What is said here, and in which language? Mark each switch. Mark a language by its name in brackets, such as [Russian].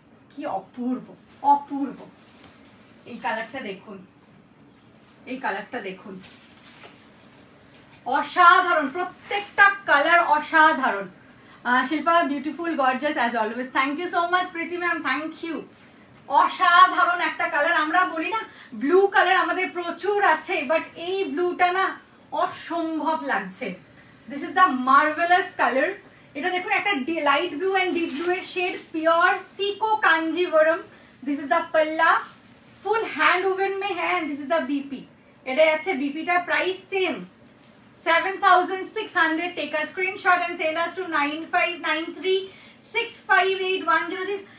[Bangla] কি অপূর্ব অপূর্ব, এই কালারটা দেখুন, এই কালারটা দেখুন অসাধারণ, প্রত্যেকটা কালার অসাধারণ, Shilpa [English] beautiful gorgeous as always, thank you so much [Bangla] Preity ma'am, [English] thank you, [Bangla] অসাধারণ একটা কালার, আমরা বলি না ব্লু কালার আমাদের প্রচুর আছে, বাট এই ব্লুটা না অসম্ভব লাগছে, [English] This is the marvelous color. [Bangla] এটা দেখুন একটা light blue and deep blue এর shade, pure সিকো Kanjivaram. [English] This is the pallu, full hand woven may hand. This is the BP, [Bangla] এটা আছে বিপিটা [English] Price same 7600। Take a screenshot and send us to 9593658106।